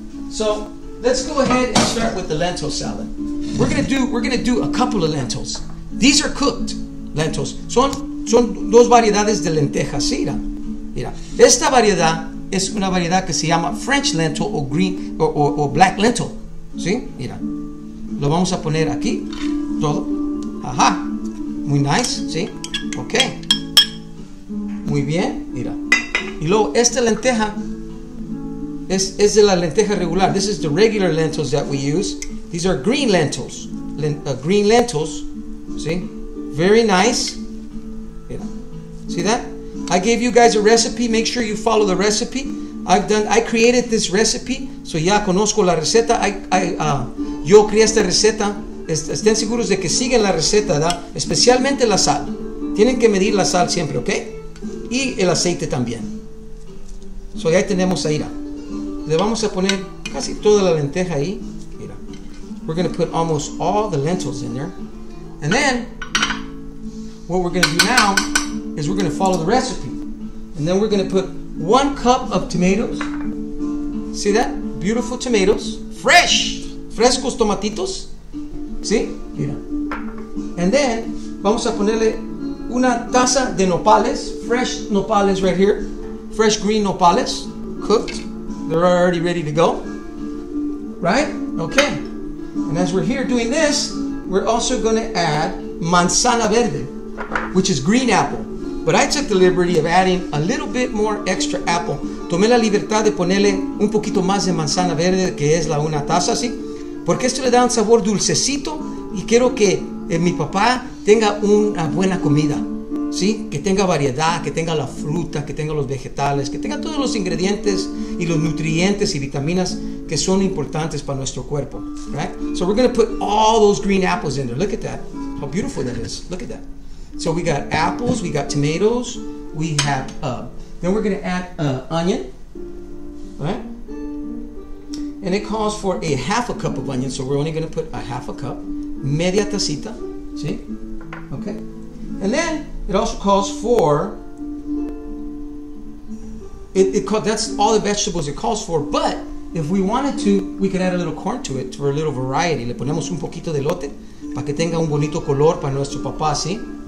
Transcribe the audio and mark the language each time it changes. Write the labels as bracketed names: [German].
[English] So let's go ahead and start with the lentil salad. We're going to do a couple of lentils. These are cooked lentils. [Spanish] Son dos variedades de lentejas. ¿Sí? Mira, esta variedad es una variedad que se llama French lentil o green o black lentil. ¿Sí? Mira. Lo vamos a poner aquí. Todo. Ajá. Muy nice. ¿Sí? Ok. Muy bien. Mira. Y luego, esta lenteja es de la lenteja regular. [English] This is the regular lentils that we use. These are green lentils. Green lentils. ¿Sí? Very nice. Mira. See that? I gave you guys a recipe. Make sure you follow the recipe. I created this recipe. [Spanish] So ya conozco la receta. Yo creé esta receta. Estén seguros de que siguen la receta, ¿da? Especialmente la sal. Tienen que medir la sal siempre, ¿ok? Y el aceite también. So ya tenemos ahí. Le vamos a poner casi toda la lenteja ahí. Mira. [English] We're going to put almost all the lentils in there. And then, what we're going to do now is we're going to follow the recipe. And then we're going to put 1 cup of tomatoes. See that? Beautiful tomatoes. Fresh! [Spanish] Frescos tomatitos. ¿Sí? Mira. And then, vamos a ponerle una taza de nopales. [English] Fresh nopales right here. Fresh green nopales. Cooked. They're already ready to go. Right? Okay. And as we're here doing this, we're also going to add manzana verde, which is green apple. But I took the liberty of adding a little bit more extra apple. [Spanish] Tomé la libertad de ponerle un poquito más de manzana verde, que es la una taza, ¿sí? Porque esto le da un sabor dulcecito y quiero que mi papá tenga una buena comida, ¿sí? Que tenga variedad, que tenga la fruta, que tenga los vegetales, que tenga todos los ingredientes y los nutrientes y vitaminas que son importantes para nuestro cuerpo, right? [English] So we're going to put all those green apples in there. Look at that. How beautiful that is. Look at that. So we got apples, we got tomatoes, we have, then we're going to add onion, right? And it calls for a half a cup of onion, so we're only going to put a half a cup, [Spanish] media tacita, ¿sí? [English] Okay. And then it also calls for, that's all the vegetables it calls for, but if we wanted to, we could add a little corn to it for a little variety. [Spanish] Le ponemos un poquito de elote para que tenga un bonito color para nuestro papá, ¿sí?